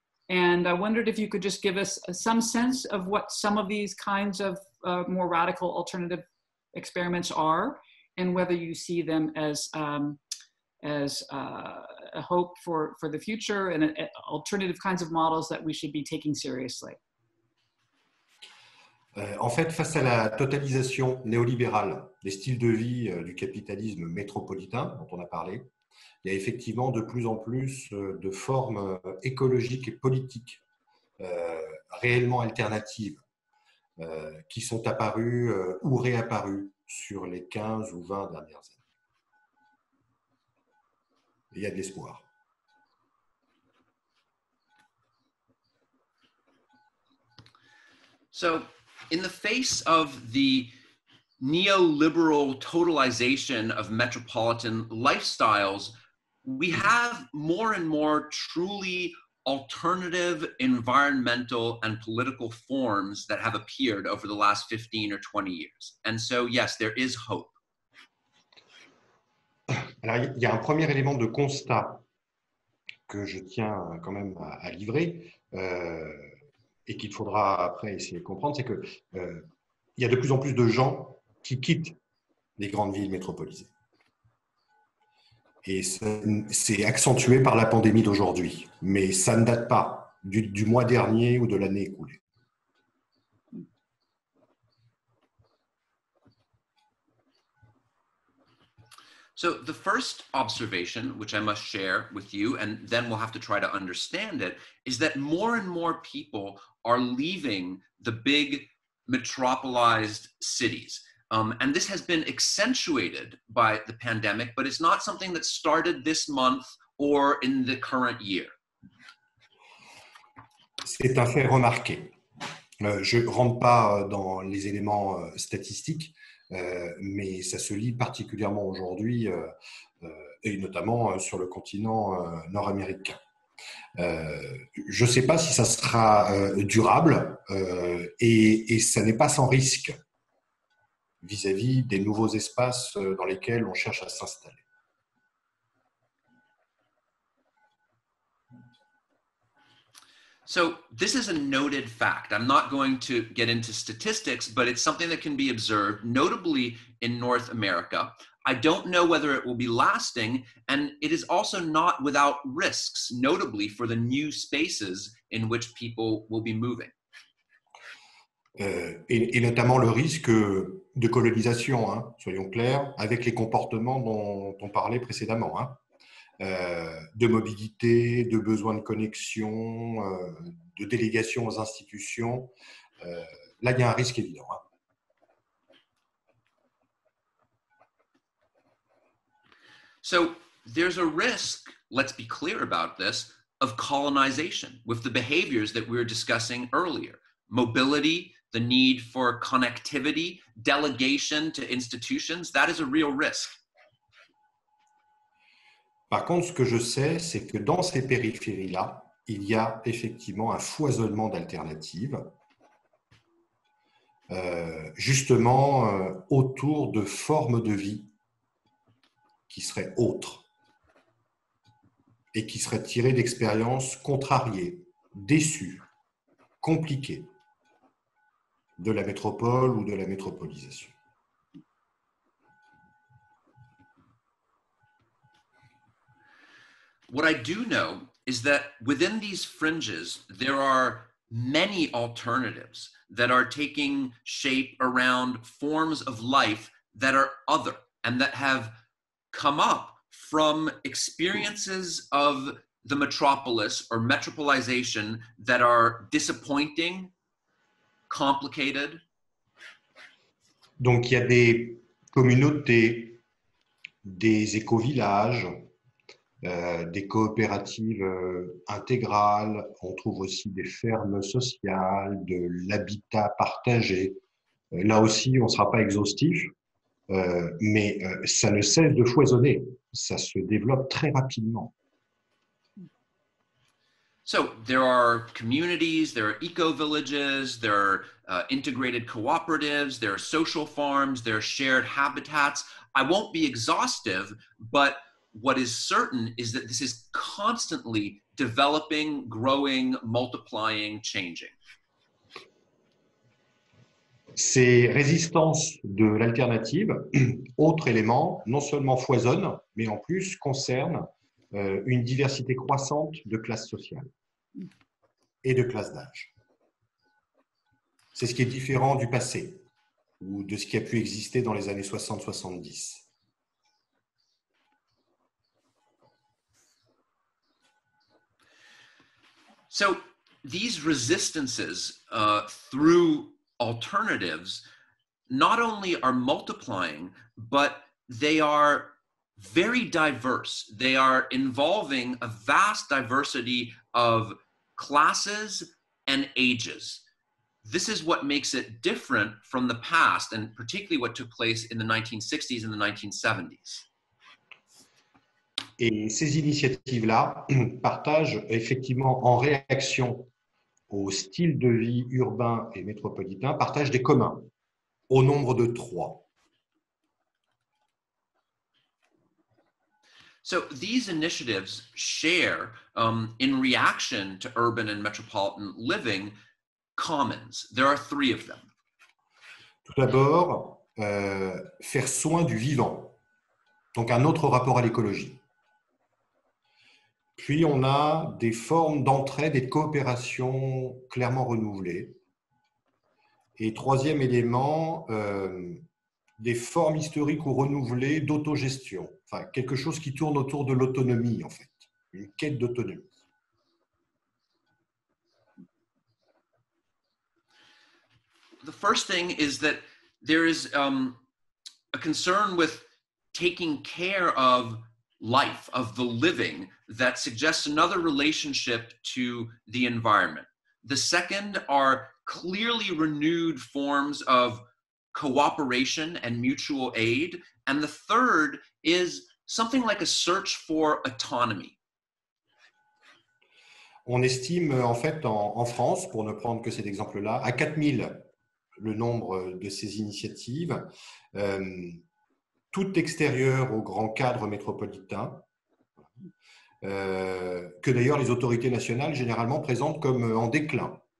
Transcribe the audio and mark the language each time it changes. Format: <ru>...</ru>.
<en>And I wondered if you could just give us some sense of what some of these kinds of more radical alternative experiments are, and whether you see them as a hope for the future and alternative kinds of models that we should be taking seriously.</en> <fr>En fait, face à la totalisation néolibérale des styles de vie du capitalisme métropolitain dont on a parlé, il y il y a effectivement de plus en plus de formes écologiques et politiques réellement alternatives qui sont apparues ou réapparues sur les 15 ou 20 dernières années. Il y a de l'espoir.</fr> <en>So, in the face of the neoliberal totalization of metropolitan lifestyles, we have more and more truly alternative environmental and political forms that have appeared over the last 15 or 20 years. And so, yes, there is hope.</en> <fr>Alors, il y a un premier élément de constat que je tiens quand même à livrer. Et qu'il faudra après essayer de comprendre, c'est que il y a de plus en plus de gens qui quittent les grandes villes métropolisées. Et c'est accentué par la pandémie d'aujourd'hui, mais ça ne date pas du mois dernier ou de l'année écoulée.</fr> <en>So the first observation, which I must share with you, and then we'll have to try to understand it, is that more and more people are leaving the big metropolized cities. And this has been accentuated by the pandemic, but it's not something that started this month or in the current year.</en> <fr>C'est un fait remarqué. Je ne rentre pas dans les éléments statistiques. Mais ça se lit particulièrement aujourd'hui et notamment sur le continent nord-américain. Je ne sais pas si ça sera durable et ça n'est pas sans risque vis-à-vis des nouveaux espaces dans lesquels on cherche à s'installer.</fr> <en>So this is a noted fact. I'm not going to get into statistics, but it's something that can be observed, notably in North America. I don't know whether it will be lasting, and it is also not without risks, notably for the new spaces in which people will be moving.</en> <fr>Et notamment le risque de colonisation, hein, soyons clairs, avec les comportements dont on parlait précédemment, hein. De mobilité, de besoin de connexion, de délégation aux institutions. Là, il y a un risque évident. Hein.</fr> <en>So, there's a risk, let's be clear about this, of colonization with the behaviors that we were discussing earlier. Mobility, the need for connectivity, delegation to institutions, that is a real risk.</en> <fr>Par contre, ce que je sais, c'est que dans ces périphéries-là, il y a effectivement un foisonnement d'alternatives, justement autour de formes de vie qui seraient autres et qui seraient tirées d'expériences contrariées, déçues, compliquées de la métropole ou de la métropolisation.</fr> <en>What I do know is that within these fringes, there are many alternatives that are taking shape around forms of life that are other and that have come up from experiences of the metropolis or metropolization that are disappointing, complicated.</en> <fr>Donc, il y a des communautés, des éco-villages. Des coopératives intégrales, on trouve aussi des fermes sociales, de l'habitat partagé. Là aussi, on ne sera pas exhaustif, mais ça ne cesse de foisonner. Ça se développe très rapidement.</fr> <en>So, there are communities, there are eco-villages, there are integrated cooperatives, there are social farms, there are shared habitats. I won't be exhaustive, but what is certain is that this is constantly developing, growing, multiplying, changing.</en> <fr>Ces résistances de l'alternative, autre élément, non seulement foisonnent, mais en plus concernent une diversité croissante de classes sociales et de classes d'âge. C'est ce qui est différent du passé ou de ce qui a pu exister dans les années 60-70.</fr> <en>So these resistances through alternatives not only are multiplying, but they are very diverse. They are involving a vast diversity of classes and ages. This is what makes it different from the past, and particularly what took place in the 1960s and the 1970s.</en> <fr>Et ces initiatives-là partagent effectivement, en réaction au style de vie urbain et métropolitain, partagent des communs au nombre de trois.</fr> <en>So these initiatives share, in reaction to urban and metropolitan living, commons. There are three of them.</en> <fr>Tout d'abord, faire soin du vivant, donc un autre rapport à l'écologie. Puis on a des formes d'entraide et de coopération clairement renouvelées. Et troisième élément, des formes historiques ou renouvelées d'autogestion. Enfin, quelque chose qui tourne autour de l'autonomie, en fait. Une quête d'autonomie.</fr> <en>The first thing is that there is a concern with taking care of life, of the living, that suggests another relationship to the environment. The second are clearly renewed forms of cooperation and mutual aid. And the third is something like a search for autonomy.</en> <fr>On estime, en fait, en France, pour ne prendre que cet exemple-là, à 4000 le nombre de ces initiatives, toutes extérieures au grand cadre métropolitain, que d'ailleurs les autorités nationales généralement présentent comme en déclin.</fr>